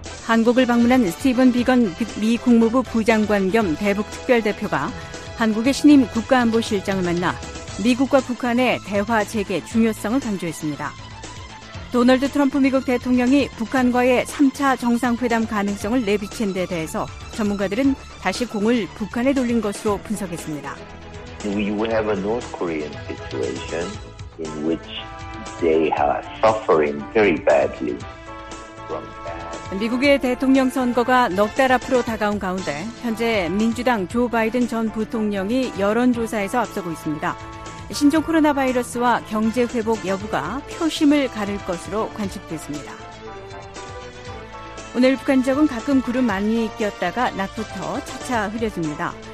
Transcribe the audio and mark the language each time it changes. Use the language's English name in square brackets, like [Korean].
[Korean] 한국을 방문한 스티븐 비건 미 국무부 부장관 겸 대북특별대표가 한국의 신임 국가안보실장을 만나 미국과 북한의 대화 재개 중요성을 강조했습니다. 도널드 트럼프 미국 대통령이 북한과의 3차 정상회담 가능성을 내비친 데 대해서 전문가들은 다시 공을 북한에 돌린 것으로 분석했습니다. [English] We have a North Korean situation in which they are suffering very badly from that. [Korean] 미국의 대통령 선거가 넉 달 앞으로 다가온 가운데 현재 민주당 조 바이든 전 부통령이 여론조사에서 앞서고 있습니다. 신종 코로나 바이러스와 경제 회복 여부가 표심을 가를 것으로 관측됐습니다. 오늘 북한 지역은 가끔 구름 많이 끼었다가 낮부터 차차 흐려집니다.